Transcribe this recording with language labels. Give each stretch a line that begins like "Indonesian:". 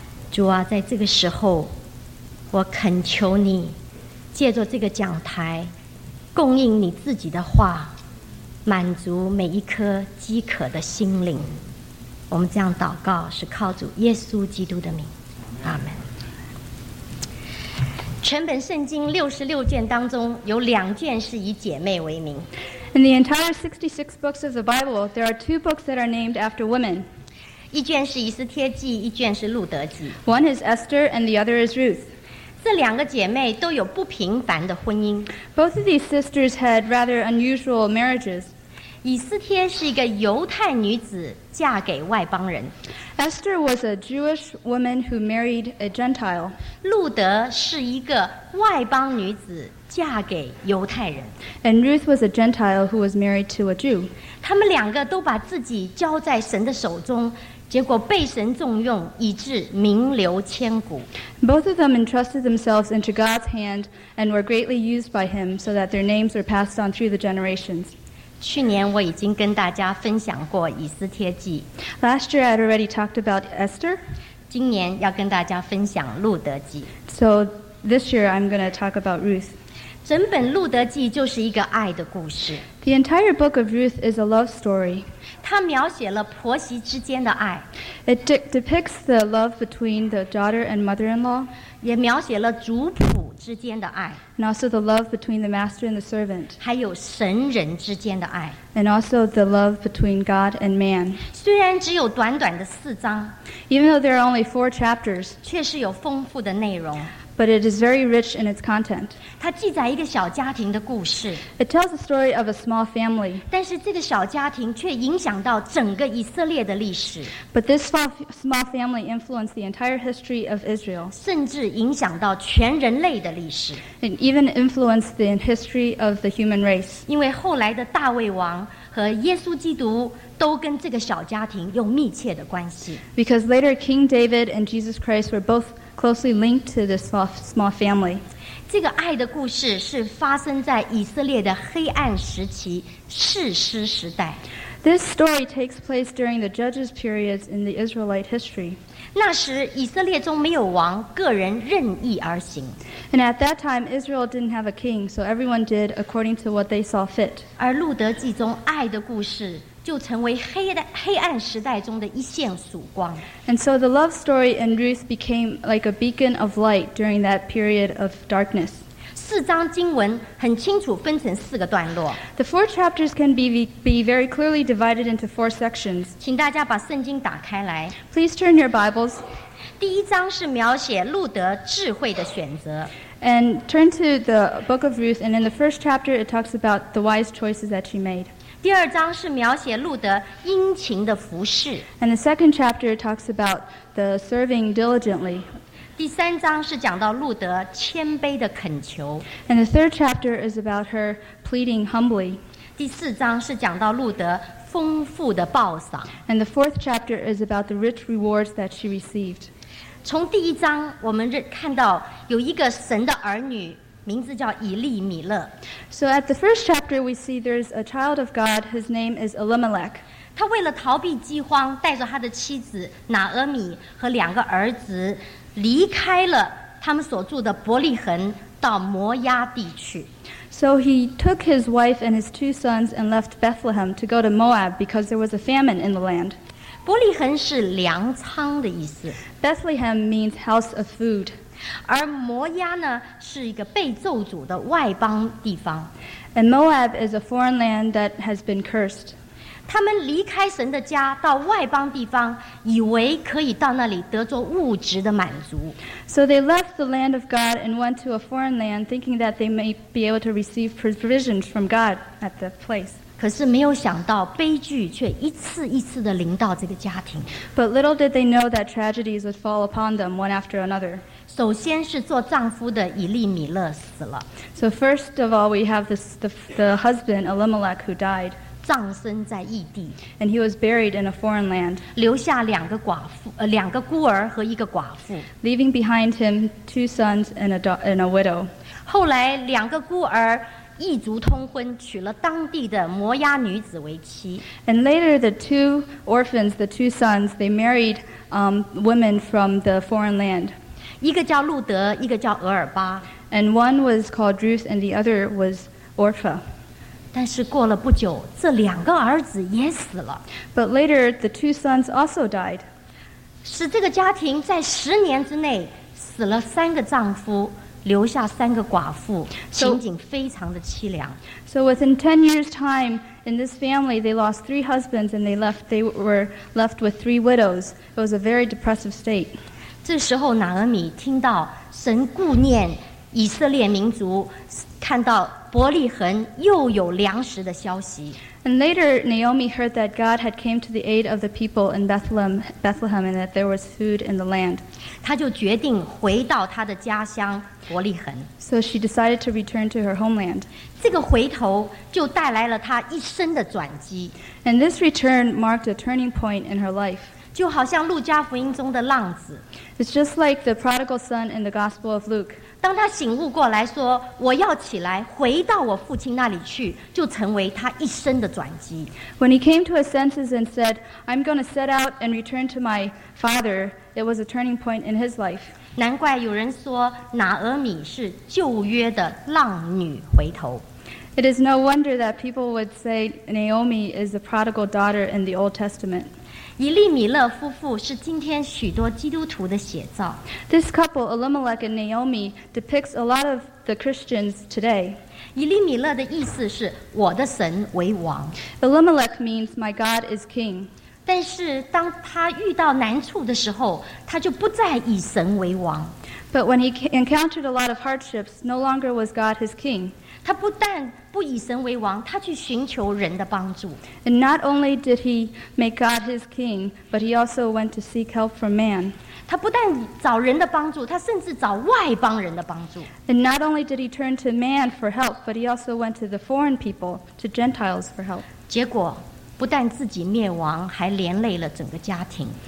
Chinese: 主啊，在这个时候我恳求你借着这个讲台供应你自己的话，满足每一颗饥渴的心灵。我们这样祷告是靠主耶稣基督的名，阿们。全本圣经66卷当中有2卷是以姐妹为名。
English: In the entire 66 books of the Bible, there are 2 books that are named after women.
Chinese: 一卷是以斯帖记，一卷是路德记。
English: One is Esther and the other is Ruth.
Chinese: 这两个姐妹都有不平凡的婚姻。
English: Both of these sisters had rather unusual marriages.
Chinese: 以斯帖是一个犹太女子嫁给外邦人。
English: Esther was a Jewish woman who married a Gentile.
Chinese: 路德是一个外邦女子嫁给犹太人。
English: And Ruth was a Gentile who was married to a Jew.
Chinese: 他们两个都把自己交在神的手中，结果被神重用，以致名留千古。
English: Both of them entrusted themselves into God's hand and were greatly used by him so that their names were passed on through the generations.
Chinese: 去年我已经跟大家分享过以斯帖记。
English: Last year I had already talked about Esther.
Chinese: 今年要跟大家分享路德记。
English: So this year I'm going to talk about Ruth.
Chinese: 整本路德记就是一个爱的故事。
English: The entire book of Ruth is a love story.
Chinese: 它描写了婆媳之间的爱。
English: It depicts the love between the daughter and mother-in-law.
Chinese: 也描写了主仆之间的爱。
English: And also the love between the master and the servant.
Chinese: 还有神人之间的爱。
English: And also the love between God and man.
Chinese: 虽然只有短短的四章，
English: Even though there are only 4 chapters,
Chinese: 确实有丰富的内容。
English: But it is very rich in its content.
Chinese: 它记载一个小家庭的故事。
English: It tells the story of a small family.
Chinese: 但是这个小家庭却影响到整个以色列的历史。
English: But this small family influenced the entire history of Israel.
Chinese: 甚至影响到全人类的历史。
English: It even influenced the history of the human race.
Chinese: 因为后来的大卫王和耶稣基督都跟这个小家庭有密切的关系。
English: Because later King David and Jesus Christ were both closely linked to this small family.
Chinese: 这个爱的故事是发生在以色列的黑暗时期，士师时代。
English: This story takes place during the judges' periods in the Israelite history.
Chinese: 那时以色列中没有王，个人任意而行。
English: And at that time, Israel didn't have a king, so everyone did according to what they saw fit.
Chinese: 而路德记中爱的故事就成为黑暗时代中的一线曙光。
English: And so the love story in Ruth became like a beacon of light during that period of darkness.
Chinese: 四章经文很清楚分成四个段落。
English: The 4 chapters can be very clearly divided into 4 sections.
Chinese: 请大家把圣经打开来。
English: Please turn your Bibles.
Chinese: 第一章是描写路德智慧的选择。
English: And turn to the book of Ruth, and in the first chapter it talks about the wise choices that she made.
Chinese: 第二章是描写路德殷勤的服侍。
English: And the second chapter talks about the serving diligently.
Chinese: 第三章是讲到路德谦卑的恳求。
English: And the third chapter is about her pleading humbly.
Chinese: 第四章是讲到路德丰富的报赏。
English: And the fourth chapter is about the rich rewards that she received.
Chinese: 从第一章我们看到有一个神的儿女，名字叫以利米勒。
English: So at the first chapter we see there's a child of God, his name is Elimelech.
Chinese: 他为了逃避饥荒，带着他的妻子拿俄米和两个儿子离开了他们所住的伯利恒，到摩押地去。
English: So he took his wife and his 2 sons and left Bethlehem to go to Moab because there was a famine in the land.
Chinese: 伯利恒是粮仓的意思。
English: Bethlehem means house of food.
Chinese: 而摩押呢是一个被咒诅的外邦地方。
English: And Moab is a foreign land that has been cursed.
Chinese: 他们离开神的家到外邦地方，以为可以到那里得着物质的满足。
English: So they left the land of God and went to a foreign land, thinking that they may be able to receive provisions from God at that place.
Chinese: 可是没有想到悲剧却一次一次地临到这个家庭。
English: But little did they know that tragedies would fall upon them one after another.
Chinese: 首先是做丈夫的以利米勒死了。
English: So first of all, we have the husband Elimelech who died.
Chinese: 葬身在异地
English: and he was buried in a foreign land,
Chinese: 留下两个寡妇，两个孤儿和一个寡妇
English: leaving behind him two sons and a widow.
Chinese: 后来两个孤儿异族通婚，娶了当地的摩押女子为妻
English: and later the two orphans, the two sons, they married women from the foreign land.
Chinese: 一个叫路德，一个叫俄尔巴
English: and one was called Ruth and the other was Orpha.
Chinese: 但是过了不久，这两个儿子也死了。
English: But later, the two sons also died.
Chinese: 使这个家庭在十年之内死了三个丈夫，留下三个寡妇，情景非常的凄凉。
English: So within 10 years' time, in this family, they lost three husbands and they were left with three widows. It was a very depressive state.
Chinese: 这时候，拿俄米听到神顾念以色列民族，看到伯利恒又有粮食的消息。
English: And later, Naomi heard that God had came to the aid of the people in Bethlehem, and that there was food in the land.
Chinese: 她就决定回到她的家乡伯利恒。
English: So she decided to return to her homeland.
Chinese: 这个回头就带来了她一生的转机。
English: And this return marked a turning point in her life.
Chinese: 就好像路加福音中的浪子
English: It's just like the prodigal son in the Gospel of Luke
Chinese: 当他醒悟过来说我要起来回到我父亲那里去就成为他一生的转机
English: When he came to his senses and said I'm going to set out and return to my father It was a turning point in his life
Chinese: 难怪有人说拿俄米是旧约的浪女回头
English: It is no wonder that people would say Naomi is the prodigal daughter in the Old Testament
Chinese: 以利米勒夫妇是今天许多基督徒的写照。
English: This couple, Elimelech and Naomi, depicts a lot of the Christians today.
Chinese: 以利米勒的意思是我的神为王。
English: Elimelech means my God is king.
Chinese: 但是当他遇到难处的时候，他就不再以神为王。
English: But when he encountered a lot of hardships, no longer was God his king.
Chinese: 他不但不以神为王，他去寻求人的帮助。
English: And not only did he make God his king, but he also went to seek help from man.
Chinese: 他不但找人的帮助，他甚至找外邦人的帮助。
English: And not only did he turn to man for help, but he also went to the foreign people, to Gentiles for help.
Chinese: 结果不但自己灭亡，还连累了整个家庭。